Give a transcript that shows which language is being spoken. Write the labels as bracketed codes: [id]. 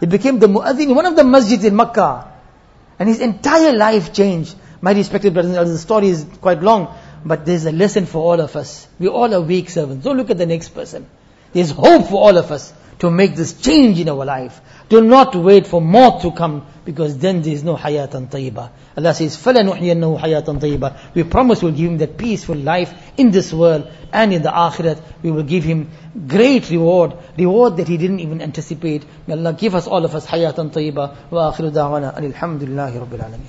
[en] He became the muadhin, one of the masjids in Makkah. And his entire life changed. My respected brothers and elders, the story is quite long. But there's a lesson for all of us. We all are weak servants. Don't look at the next person. There's hope for all of us to make this change in our life. Do not wait for more to come, because then there is no hayatan tayyiba. [ar] Allah says, فَلَنُحْيَنَّهُ حَيَاتًا طَيِّبًا. [en] We promise we'll give him that peaceful life in this world and in the akhirat. We will give him great reward, reward that he didn't even anticipate. May Allah give us all of us hayatan tayyiba. [ar] وَآخِرُ دَعْوَنَا أَنِ الْحَمْدُ لِلَّهِ رَبِّ الْعَالَمِينَ.